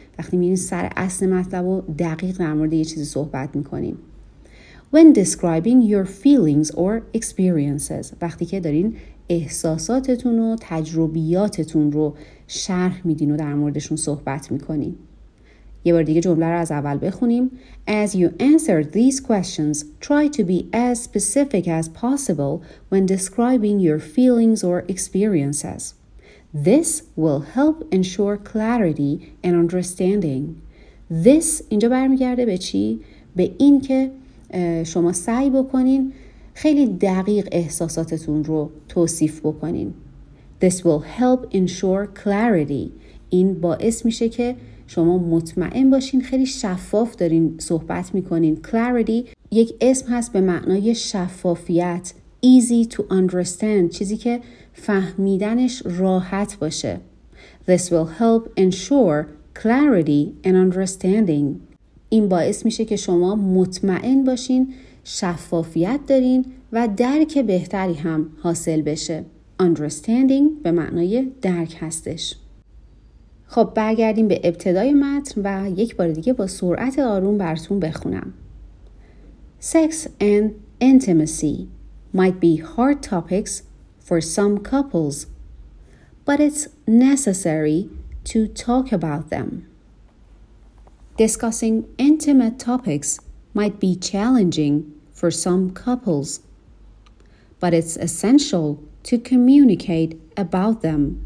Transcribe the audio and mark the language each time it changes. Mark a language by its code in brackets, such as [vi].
[fa] وقتی میرین سر اصل مطلب و دقیق در مورد یه چیزی صحبت میکنین. [en] When describing your feelings or experiences. [fa] وقتی که دارین احساساتتون و تجربیاتتون رو شرح میدین و در موردشون صحبت میکنین. یه بار دیگه جمله رو از اول بخونیم. [en] As you answer these questions, try to be as specific as possible when describing your feelings or experiences. This will help ensure clarity and understanding. [fa] This اینجا برمیگرده به چی؟ به این که شما سعی بکنین خیلی دقیق احساساتتون رو توصیف بکنین. [en] This will help ensure clarity. [fa] این باعث میشه که شما مطمئن باشین خیلی شفاف دارین صحبت میکنین. Clarity یک اسم هست به معنای شفافیت. [en] Easy to understand. [fa] چیزی که فهمیدنش راحت باشه. [en] This will help ensure clarity and understanding. [fa] این باعث میشه که شما مطمئن باشین، شفافیت دارین و درک بهتری هم حاصل بشه. Understanding به معنای درک هستش. خب برگردیم به ابتدای متن و یک بار دیگه با سرعت آروم براتون بخونم. [en] Sex and intimacy might be hard topics for some couples, but it's necessary to talk about them. Discussing intimate topics might be challenging for some couples, but it's essential to communicate about them.